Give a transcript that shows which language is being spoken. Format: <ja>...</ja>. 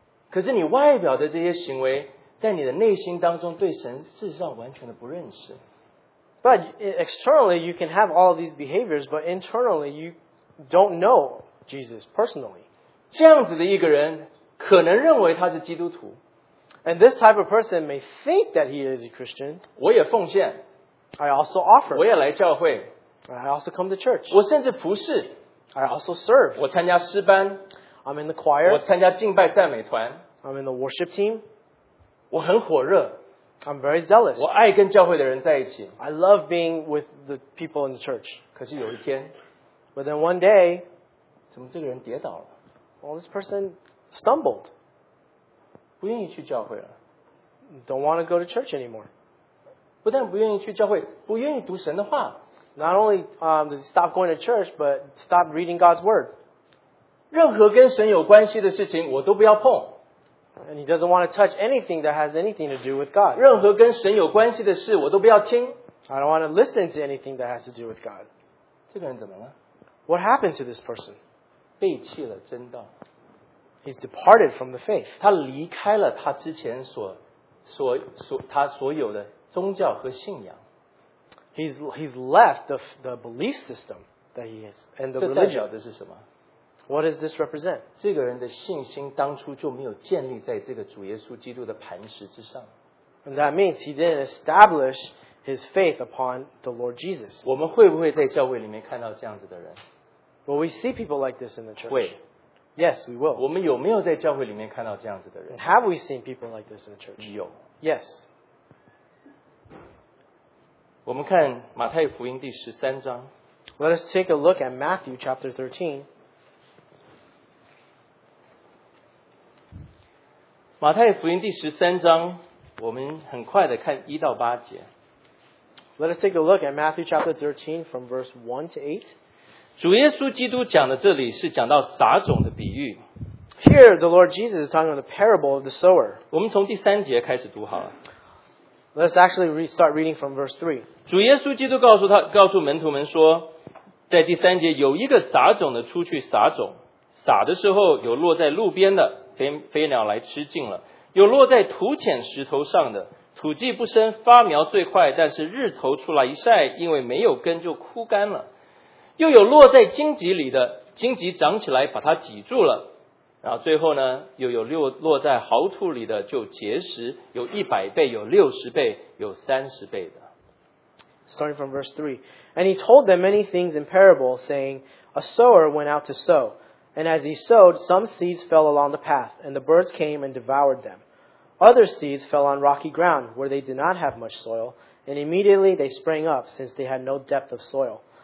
<zh>可是你外表的这些行为，在你的内心当中对神事实上完全的不认识。</zh> <en>But externally, you can have all these behaviors, but internally, you don't know Jesus personally.</en> <zh>这样子的一个人，可能认为他是基督徒。</zh> <en>And this type of person may think that he is a Christian.</en> <zh>我也奉献。</zh> <en>I also offer.</en> <zh>我也来教会。</zh> <en>I also come to church.</en> <zh>我甚至服侍。</zh> <en>I also serve.</en> <zh>我参加诗班。</zh> <en>I'm in the choir.</en> <zh>我参加敬拜赞美团。</zh> <en>I'm in the worship team.</en> <zh>我很火热。</zh> <en>I'm very zealous.</en> <zh>我爱跟教会的人在一起。</zh> <en>I love being with the people in the church.</en> <zh>可是有一天。</zh> <en>But then one day.</en> <zh>怎么这个人跌倒了？</zh> <en>Well, this person stumbled.</en> <zh>不愿意去教会了。</zh> <en>Don't want to go to church anymore.</en> <zh>不但不愿意去教会，不愿意读神的话。</zh> <en>Not only does he stop going to church, but stop reading God's word.</en> <zh>任何跟神有关系的事情，我都不要碰。</zh> <en>And he doesn't want to touch anything that has anything to do with God.</en> <zh>任何跟神有关系的事, 我都不要听。</zh> <en>I don't want to listen to anything that has to do with God.</en> <zh>这个人怎么了?</zh> <en>What happened to this person?</en> <zh>背弃了真道。</zh> <en>He's departed from the faith.</en> <zh>他离开了他之前所有的宗教和信仰。</zh> <en>He's left the belief system that he has and the religion.</en> <zh>这代表的是什么?</zh> <en>What does this represent?</en> <zh>这个人的信心当初就没有建立在这个主耶稣基督的磐石之上。</zh> <en>And that means he didn't establish his faith upon the Lord Jesus.</en> <zh>我们会不会在教会里面看到这样子的人?</zh> <en>Will we see people like this in the church?</en> <zh>会。</zh> <en>Yes, we will.</en> <zh>我们有没有在教会里面看到这样子的人?</zh> <en>Have we seen people like this in the church?</en> <zh>有。</zh> <en>Yes.</en> <zh>我们看马太福音第13章。</zh> <en>Let us take a look at Matthew chapter 13.</en> <zh>马太福音第13章, 我们很快地看1到8节。</zh> <en>Let us take a look at Matthew chapter 13 from verse 1 to 8.</en> <zh>主耶稣基督讲的这里是讲到撒种的比喻。</zh> <en>Here, the Lord Jesus is talking about the parable of the sower.</en> <zh>我们从第三节开始读好了。</zh> <en>Let us actually start reading from verse 3.</en> <zh>主耶稣基督告诉门徒们说, 在第三节, 有一个撒种的出去撒种, 撒的时候有落在路边的, 飞鸟来吃尽了，有落在土浅石头上的，土既不生发苗最快，但是日头出来一晒，因为没有根就枯干了；又有落在荆棘里的，荆棘长起来把它挤住了。然后最后呢，又有落在豪土里的，就结实，有100倍，有60倍，有30倍的。</zh> <en>Starting from verse 3. And he told them many things in parable, saying, A sower went out to sow. And as he sowed, some seeds fell along the path, and the birds came and devoured them. Other seeds fell on rocky ground, where they did not have much soil, and immediately they sprang up, since they had no depth of soil.</en>